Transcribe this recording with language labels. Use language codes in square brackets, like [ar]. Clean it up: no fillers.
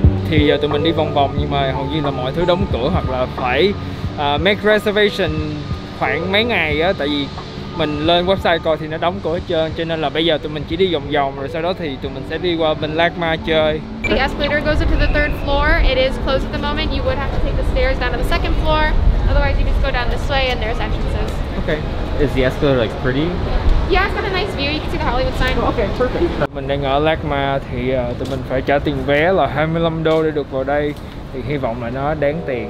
[vi] Thì giờ tụi mình đi vòng vòng nhưng mà hầu như là mọi thứ đóng cửa hoặc là phải [en] make reservation [vi] khoảng mấy ngày á, tại vì mình lên website coi thì nó đóng cửa hết trơn, cho nên là bây giờ tụi mình chỉ đi vòng vòng rồi sau đó thì tụi mình sẽ đi qua bên Lagma chơi. [en] The escalator goes up to the third floor. It is closed at the moment. You would have to take the stairs down to the second floor. Otherwise you just go down this way and there's entrances. Okay. Is the escalator like pretty? Yeah, it's got a nice view. You can see the Hollywood sign. Oh, okay, perfect. [vi] Mình đang ở Lagma thì tụi mình phải trả tiền vé là 25 đô để được vào đây. Thì hy vọng là nó đáng tiền.